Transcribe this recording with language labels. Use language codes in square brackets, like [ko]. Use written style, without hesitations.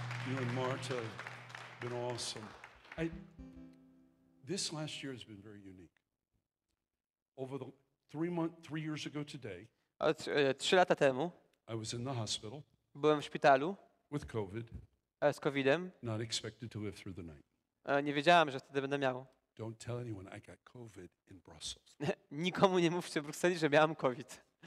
[en] You and Marta have been awesome. This last year has been very unique. Over the three years ago today, [pl] trzy lata temu, [en] I was in the hospital. [pl] Byłem w szpitalu. [en] With COVID. [pl] Z COVIDem. [en] Not expected to live through the night. [pl] Nie wiedziałem, że wtedy będę miał. [en] Don't tell anyone I got COVID in Brussels. [pl] Nikomu nie mówcie w Brukseli, że miałem COVID.